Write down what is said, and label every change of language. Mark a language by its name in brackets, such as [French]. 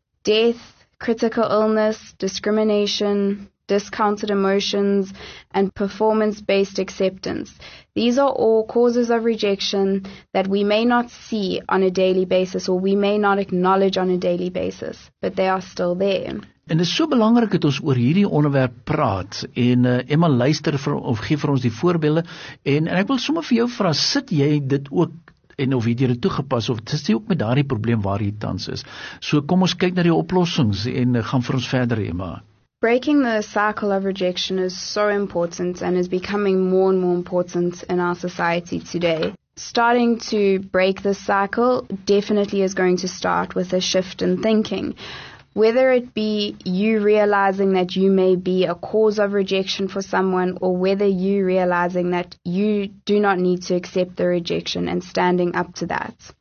[English] Death, critical illness, discrimination, discounted emotions, and performance-based acceptance. These are all causes of rejection that we may not see on a daily basis, or we may not acknowledge on a daily basis, but they are still there. [Afrikaans] En dit is so belangrik dat ons oor hierdie onderwerp praat, en Emma luister vir, of gee vir ons die voorbeelde, en ek wil sommer vir jou vra, sit jy dit ook, en of jy dit toegepas, of sit jy ook met daardie probleem waar jy tans is? So kom ons kyk na die oplossings, en gaan vir ons verder, Emma. [English] Breaking the cycle of rejection is so important and is becoming more and more important in our society today. Starting to break the cycle definitely is going to start with a shift in thinking. Whether it be you realizing that you may be a cause of rejection for someone, or whether you realizing that you do not need to accept the rejection and standing up to that.